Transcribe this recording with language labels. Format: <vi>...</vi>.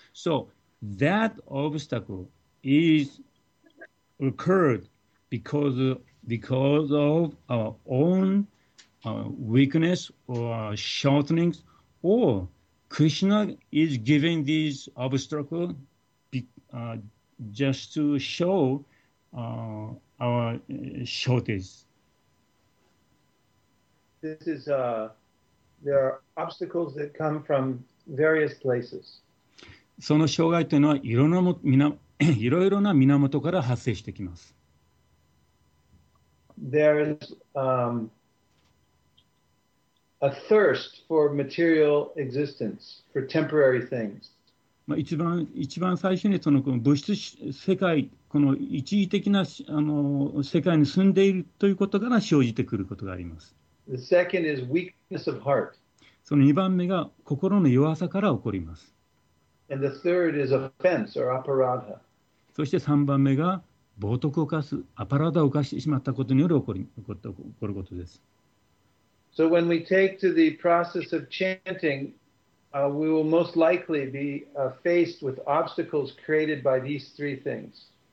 <en>So that obstacle is occurred because of our own weakness or shortcomings, or Krishna is giving these obstacles just to show our shortage. This is there are obstacles that come from various places.</en> <ja>その障害というのはいろいろな源から発生してきます。</ja> <en>There is a thirst for material existence, for temporary things.</en> <ja>まあ一番最初にそのこの物質世界、この一時的な世界に住んでいるということから生じてくることがあります。</ja> <en>The second is weakness of heart.</en> <ja>その2番目が心の弱さから起こります。</ja> <en>And the third is offense or aparadha.</en> <ja>そして3番目が冒涜を犯す、アパラダを犯してしまったことによる起こることです。</ja> <en>So when we take to the process of chanting, we will most likely be faced with obstacles created by these three things.</en>